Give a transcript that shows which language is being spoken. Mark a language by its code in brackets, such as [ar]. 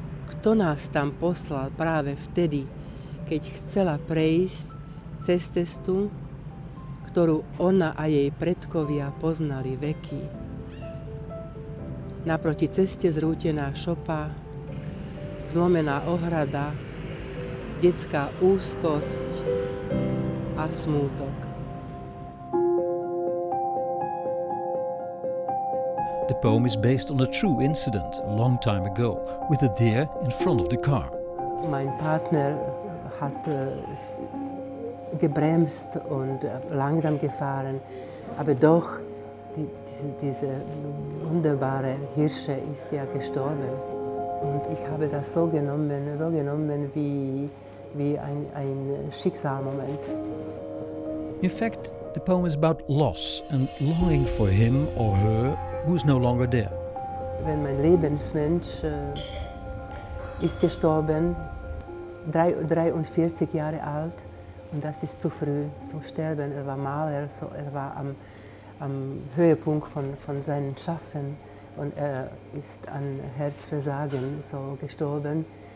[sk] Kto nás tam poslal práve vtedy, keď chcela prejsť cez cestu, ktorú ona a jej predkovia poznali veky? Naproti ceste zrútená šopa, zlomená ohrada, detská úzkosť a smútok. [en] The poem is based on a true incident a long time ago with a deer in front of the car. [de] Mein Partner hat gebremst und langsam gefahren, aber doch diese wunderbare Hirsche ist ja gestorben. Und ich habe das so genommen wie ein Schicksalmoment. [en] In fact, the poem is about loss and longing for him or her who is no longer there. [de] Wenn mein Lebensmensch ist gestorben, 43 Jahre alt, und das ist zu früh zum Sterben. Er war Maler, so er war am Höhepunkt von seinem Schaffen und er ist an Herzversagen so gestorben.